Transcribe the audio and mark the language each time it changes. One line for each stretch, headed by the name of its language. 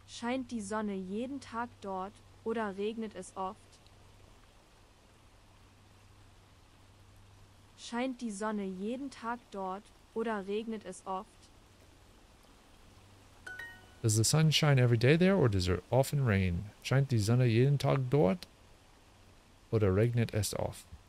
German: Scheint die Sonne jeden Tag dort oder regnet es oft? Scheint die Sonne jeden Tag dort oder regnet es oft?
English: Does the sun shine every day there or does it often rain?
German: Scheint die Sonne jeden Tag dort oder regnet es oft?